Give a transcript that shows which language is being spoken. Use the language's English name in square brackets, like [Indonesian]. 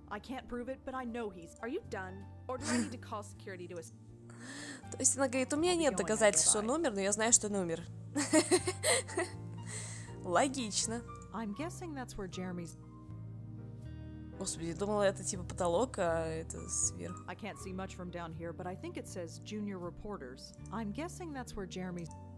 [English] I can't prove it, but I know he's. Are you done? Or do I need to call security to us? [Russian] То есть она говорит, у меня нет доказательств, что он умер, но я знаю, что он умер. Логично. [English] I'm guessing that's where Jeremy's. [Russian] Господи, думала, это типа потолок, а это сверху. [English] I can't see much from down here, but I think it says junior reporters. I'm guessing that's where Jeremy's.